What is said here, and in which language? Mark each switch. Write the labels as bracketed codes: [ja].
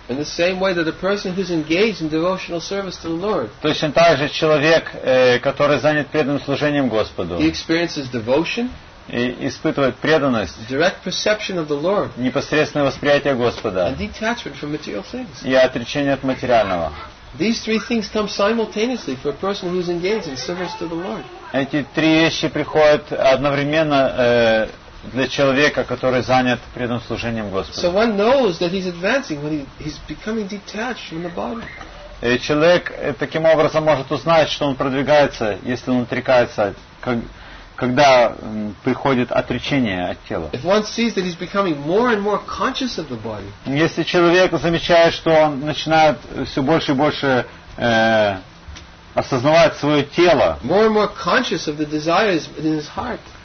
[en] In the same way that a person who's engaged in devotional service to the Lord. [ru] Точно так же человек, который занят преданным служением Господу. [en] He experiences devotion. [ru] И испытывает преданность. [en] Direct perception of the Lord. [ru] Непосредственное восприятие Господа. [en] And detachment from material things. [ru] И отречение от материального. [en] These three things come simultaneously for a person who's engaged in service to the Lord. [ru] Эти три вещи приходят одновременно. Для человека, который занят преданным служением Господу. [en] So one knows that he's advancing when he's becoming detached from the body. [ru] Человек таким образом может узнать, что он продвигается, если он отрекается, когда приходит отречение от тела. [en] If one sees that he's becoming more and more conscious of the body. [ru] Если человек замечает, что он начинает все больше и больше осознавать свое тело. [en] More and more conscious of the desires in his heart.